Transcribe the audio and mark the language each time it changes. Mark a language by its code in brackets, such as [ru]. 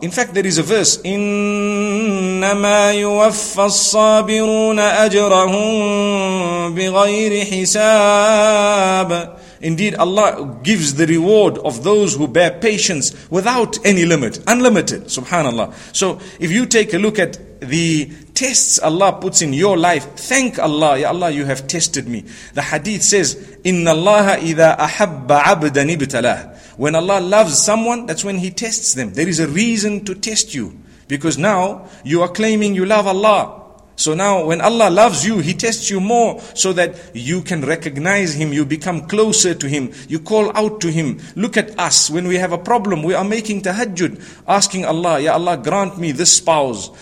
[en] In fact, there is a verse, [ar] إِنَّمَا يُوَفَّى الصَّابِرُونَ أَجْرَهُمْ بِغَيْرِ حِسَابٍ. [en] Indeed, Allah gives the reward of those who bear patience without any limit, unlimited, subhanAllah. So if you take a look at the tests Allah puts in your life, thank Allah, Ya Allah, you have tested me. The hadith says, [ar] إِنَّ اللَّهَ إِذَا أَحَبَّ عَبْدًا إِبْتَلَاهُ. [en] When Allah loves someone, that's when He tests them. There is a reason to test you, because now you are claiming you love Allah. So now when Allah loves you, He tests you more so that you can recognize Him, you become closer to Him, you call out to Him. Look at us, when we have a problem, we are making tahajjud, asking Allah, Ya Allah, grant me this spouse.